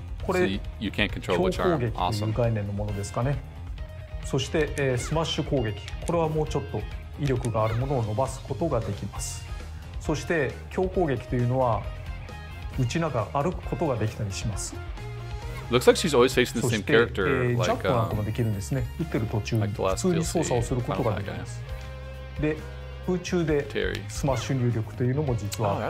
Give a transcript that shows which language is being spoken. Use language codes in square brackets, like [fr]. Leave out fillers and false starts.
[ja] これ、強攻撃という概念のものですかね。そして、スマッシュ攻撃、これはもうちょっと威力があるものを伸ばすことができます。そして強攻撃というのは打ちながら歩くことができたりします。 [en] Looks like she's always facing the same character, like, like the last DLC, kind of like, I guess. [ja] で、空中でスマッシュ入力というのも実はあ